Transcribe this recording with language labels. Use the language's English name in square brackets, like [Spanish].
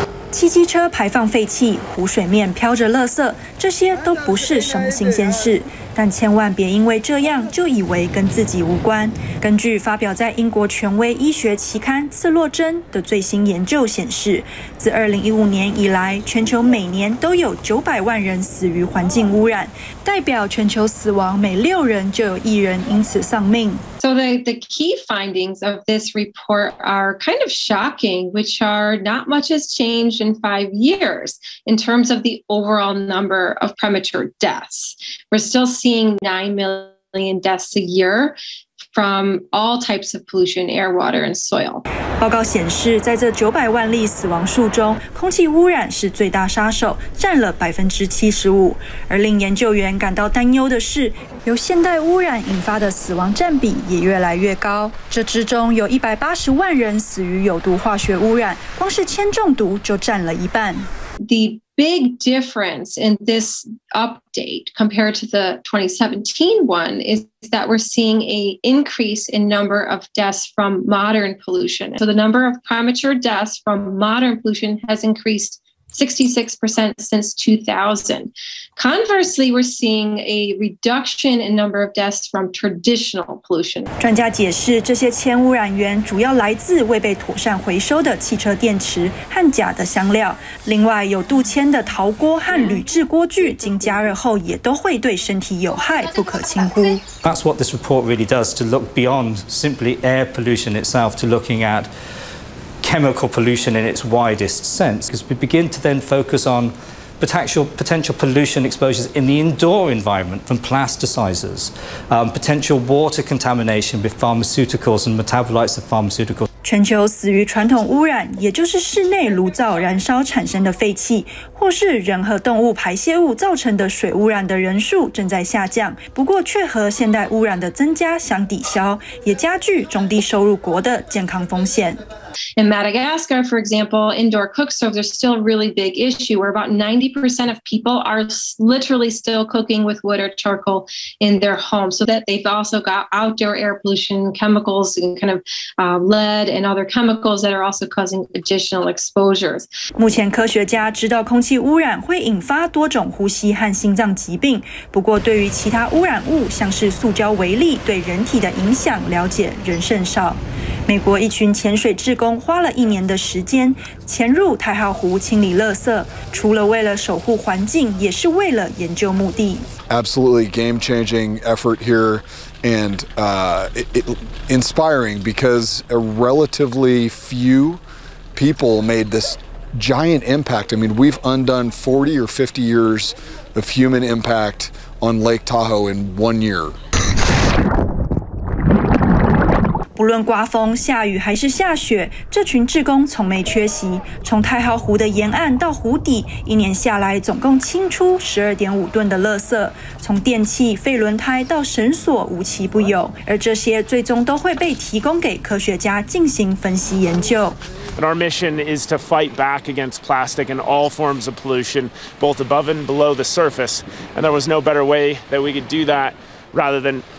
[Chinese] 汽机车排放废气，湖水面飘着垃圾，这些都不是什么新鲜事，但千万别因为这样就以为跟自己无关。根据发表在英国权威医学期刊《刺络针》的最新研究显示，自2015年以来，全球每年都有900万人死于环境污染，代表全球死亡每六人就有一人因此丧命。 [English] So the key findings of this report are kind of shocking, which are not much has changed in 5 years in terms of the overall number of premature deaths. We're still seeing 9 million deaths a year from all types of pollution, air, water, and soil. [Chinese] 报告显示，在这900万例死亡数中，空气污染是最大杀手，占了75%。而令研究员感到担忧的是，由现代污染引发的死亡占比也越来越高。这之中有180万人死于有毒化学污染，光是铅中毒就占了一半。 [English] The big difference in this update compared to the 2017 one is that we're seeing an increase in number of deaths from modern pollution. So the number of premature deaths from modern pollution has increased 66% since 2000. Conversely, we're seeing a reduction in number of deaths from traditional pollution. [Chinese] 专家解释，这些铅污染源主要来自未被妥善回收的汽车电池和假的香料。另外，有镀铅的陶锅和铝制锅具经加热后也都会对身体有害，不可轻忽。 [English] That's what this report really does, to look beyond simply air pollution itself to looking at chemical pollution in its widest sense, because we begin to then focus on potential pollution exposures in the indoor environment from plasticizers, potential water contamination with pharmaceuticals and metabolites of pharmaceuticals. [Chinese] 全球死于传统污染，也就是室内炉灶燃烧产生的废气，或是人和动物排泄物造成的水污染的人数正在下降，不过却和现代污染的增加相抵消，也加剧中低收入国的健康风险。 [English] In Madagascar, for example, indoor cook stoves are still a really big issue, where about 90% of people are literally still cooking with wood or charcoal in their home, so that they've also got outdoor air pollution chemicals and kind of lead and other chemicals that are also causing additional exposures. [Chinese] 目前科学家知道空气污染会引发多种呼吸和心脏疾病，不过对于其他污染物，像是塑胶微粒对人体的影响了解仍甚少。美国一群潜水志工花了一年的时间潜入太浩湖清理垃圾，除了为了守护环境，也是为了研究目的。 [English] Absolutely game-changing effort here, and inspiring because a relatively few people made this giant impact. I mean, we've undone 40 or 50 years of human impact on Lake Tahoe in 1 year. [Chinese] 不论刮风、下雨还是下雪，这群志工从没缺席。从太浩湖的沿岸到湖底，一年下来总共清出12.5吨的垃圾，从电器、废轮胎到绳索无奇不有。而这些最终都会被提供给科学家进行分析研究。 [English] And our mission is to fight back against plastic and all forms of pollution, both above and below the surface. And there was no better way that we could do that rather than.